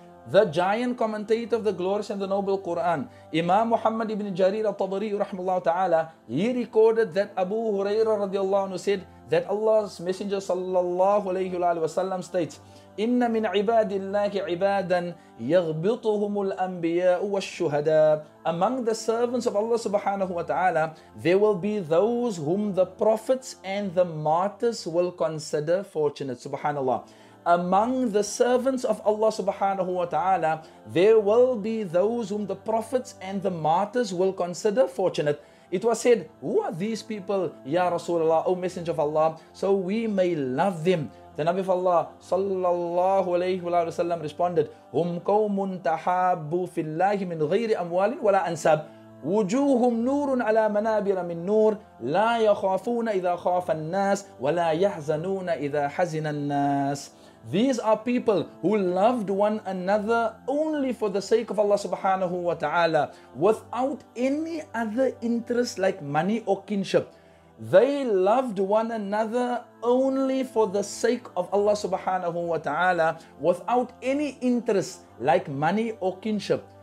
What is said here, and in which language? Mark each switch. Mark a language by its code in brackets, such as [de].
[en] The giant commentator of the glorious and the noble Quran, Imam Muhammad ibn Jarir al-Tabari, rahimahullah ta'ala, he recorded that Abu Hurairah radiallahu anhu said that Allah's Messenger sallallahu alayhi wa sallam states, [ar] إِنَّ مِنْ عِبَادِ اللَّهِ عِبَادًا يَغْبِطُهُمُ الْأَنْبِيَاءُ وَالشُّهَدَاءُ, [en] among the servants of Allah subhanahu wa ta'ala, there will be those whom the prophets and the martyrs will consider fortunate. Subhanallah. Among the servants of Allah subhanahu wa ta'ala, there will be those whom the prophets and the martyrs will consider fortunate. It was said, who are these people, Ya Rasulullah, O Messenger of Allah, so we may love them. The Nabi of Allah sallallahu alayhi wa sallam responded, [ar] هُمْ قَوْمٌ تَحَابُوا فِي اللَّهِ مِنْ غَيْرِ أَمْوَالٍ وَلَا أَنْسَابٍ وُجُوهُمْ نُورٌ عَلَى مَنَابِرَ مِنْ نُورٍ لَا يَخَافُونَ إِذَا خَافَ النَّاسِ وَلَا يَحْزَنُونَ إِذَا حَزِنَ النَّاسِ. [en] These are people who loved one another only for the sake of Allah subhanahu wa ta'ala, without any other interest like money or kinship. They loved one another only for the sake of Allah subhanahu wa ta'ala, without any interest like money or kinship.